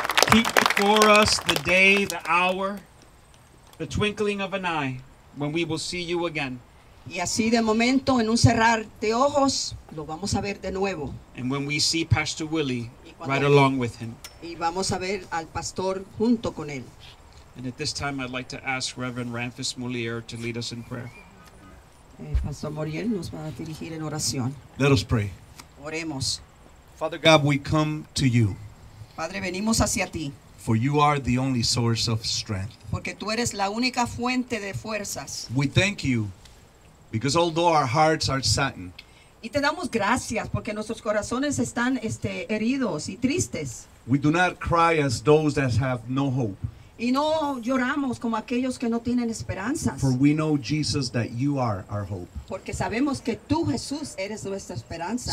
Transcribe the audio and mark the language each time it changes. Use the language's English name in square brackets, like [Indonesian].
[English] Keep before us the day, the hour, the twinkling of an eye, when we will see you again. [Spanish] Y así de momento, en un cerrar de ojos, lo vamos a ver de nuevo. [English] And when we see Pastor Willie right along with him. [Spanish] Y vamos a ver al pastor junto con él. [English] And at this time, I'd like to ask Reverend Ramphis Mulier to lead us in prayer. [Spanish] Pastor Muriel nos va a dirigir en oración. [English] Let us pray. [Spanish] Oremos. [English] Father God, we come to you. [Spanish] Padre, venimos hacia ti. [English] For you are the only source of strength. [Spanish] Porque tú eres la única fuente de fuerzas. [English] We thank you. Because although our hearts are saddened, [Spanish] y te damos gracias porque nuestros corazones están heridos y tristes. [English] We do not cry as those that have no hope. [Spanish] Y no lloramos como aquellos que no tienen esperanzas. [English] For we know, Jesus, that you are our hope. [Spanish] Porque sabemos que tú, Jesús, eres nuestra esperanza.